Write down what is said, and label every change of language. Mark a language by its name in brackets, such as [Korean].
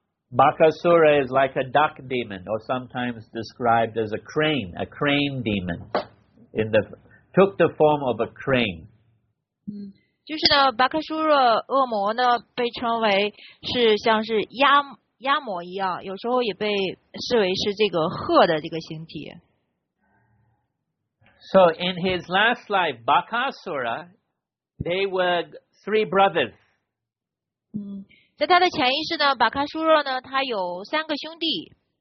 [English] Bakasura is like a duck demon, or sometimes described as a crane demon. Took the form of a crane. [Chinese] 就是呢 ,Bakasura 恶魔呢被称为是像是鸭魔一样，有时候也被视为是这个鹤的这个形体。 [English] So in his last life, Bakasura, they were three brothers. [Chinese] 在他的前一世呢，巴卡苏若呢，他有三个兄弟。